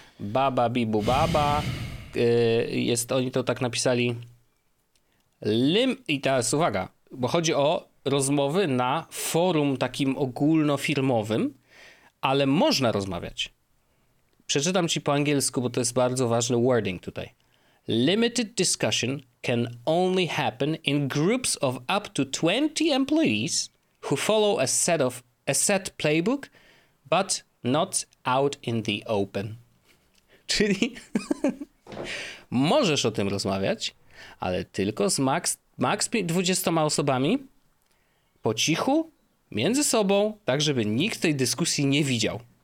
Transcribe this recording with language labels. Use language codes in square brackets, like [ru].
[pl] Baba bibu baba. Jest, oni to tak napisali. I teraz uwaga, bo chodzi o rozmowy na forum takim ogólnofirmowym, ale można rozmawiać. Przeczytam ci po angielsku, bo to jest bardzo ważny wording tutaj. [en] Limited discussion can only happen in groups of up to 20 employees who follow a set playbook, but not out in the open. [pl] Czyli możesz o tym rozmawiać, ale tylko z max 20 osobami, po cichu, między sobą, tak żeby nikt tej dyskusji nie widział.